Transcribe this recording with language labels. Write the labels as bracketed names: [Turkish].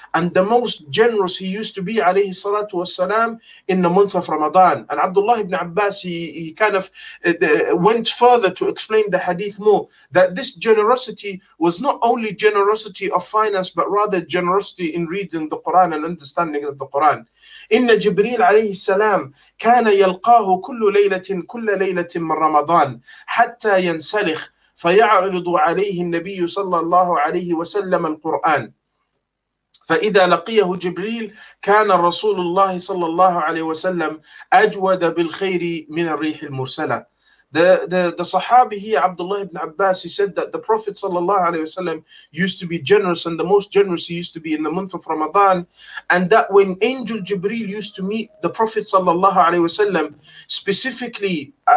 [English] And the most generous he used to be [Arabic] عليه الصلاة والسلام [English] in the month of Ramadan. And Abdullah ibn Abbas, he kind of went further to explain the hadith more, that this generosity was not only generosity of finance, but rather generosity in reading the Quran and understanding of the Quran. [Arabic] إِنَّ جِبْرِيلَ عَلَيْهِ السَّلَامِ كَانَ يَلْقَاهُ كُلَّ لَيْلَةٍ مِّن رَمَضَانِ حَتَّى يَنْسَلِخْ فيعرض عليه النبي صلى الله عليه وسلم القرآن فإذا لقيه جبريل كان رسول الله صلى الله عليه وسلم أجود بالخير من الريح المرسلة. [English] The Sahabi here, Abdullah ibn Abbas, he said that the Prophet sallallahu alayhi wasallam used to be generous, and the most generous he used to be in the month of Ramadan, and that when Angel Jibreel used to meet the Prophet sallallahu alayhi wasallam specifically